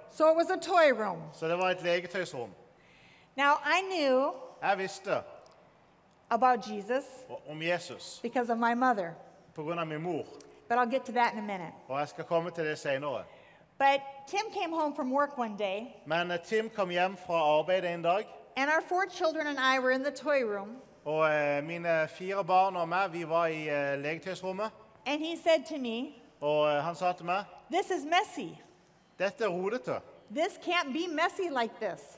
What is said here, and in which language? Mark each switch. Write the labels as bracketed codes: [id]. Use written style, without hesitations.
[en] So it was a toy room. [no] Så det var et legetøysrom. [en] Now I knew. [no] Jeg visste. [en] About Jesus. [no] Om Jesus. [en] Because of my mother. [no] På grunn av min mor. [en] But I'll get to that in a minute. [no] Og jeg skal komme til det senere. [en] But Tim came home from work one day. [no] Men Tim kom hjem fra arbeid en dag. [en] And our 4 children and I were in the toy room. [no] Og mine 4 barn og meg, vi var I legetøysrommet. [en] And he said to me. [no] Og han sa til meg. [en] This is messy. [no] Dette rodete. [en] This can't be messy like this.